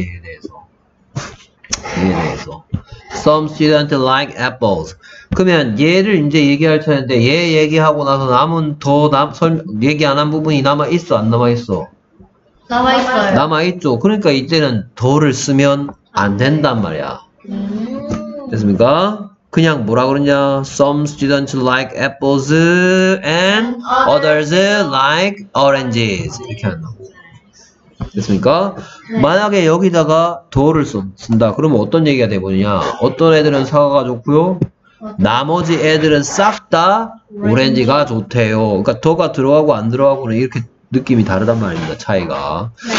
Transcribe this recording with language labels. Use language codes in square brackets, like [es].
[ko] 얘에 대해서. 얘에 대해서. [en] Some students like apples. [ko] 그러면 얘를 이제 얘기할 차례인데 얘 얘기하고 나서 남은 더 얘기 안 한 부분이 남아 있어 안 남아 있어? 남아있어요. 남아있죠. 그러니까 이때는 더를 쓰면 안 된단 말이야. 됐습니까? 그냥 뭐라 그러냐? [en] Some students like apples and others like oranges. [ko] 이렇게 한다. 됐습니까? 만약에 여기다가 더를 쓴다. 그러면 어떤 얘기가 되느냐? 어떤 애들은 사과가 좋고요. 나머지 애들은 싹 다 오렌지가 좋대요. 그러니까 더가 들어가고 안 들어가고는 이렇게 느낌이 다르단 말입니다. 차이가.